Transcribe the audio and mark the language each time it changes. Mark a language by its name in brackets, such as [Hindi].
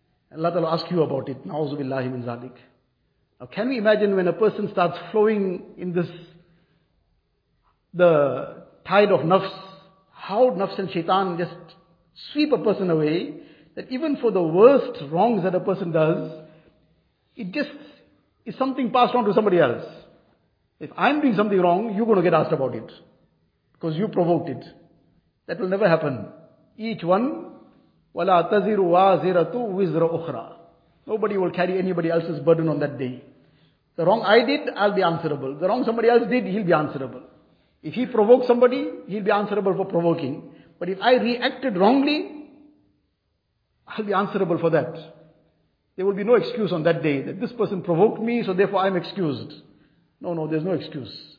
[English] Allah Ta'ala ask you about it. Na'uzu billahi min zalik. Now can we imagine when a person starts flowing in this, the tide of nafs, how nafs and shaitan just sweep a person away, that even for the worst wrongs that a person does, it just is something passed on to somebody else. If I'm doing something wrong, you're going to get asked about it. Because you provoked it. That will never happen. Each one, [Arabic] وَلَا تَزِرُ وَازِرَةُ وِزْرَ أُخْرَى. [English] Nobody will carry anybody else's burden on that day. The wrong I did, I'll be answerable. The wrong somebody else did, he'll be answerable. If he provoked somebody, he'll be answerable for provoking. But if I reacted wrongly, I'll be answerable for that. There will be no excuse on that day that this person provoked me, so therefore I'm excused. No, there's no excuse.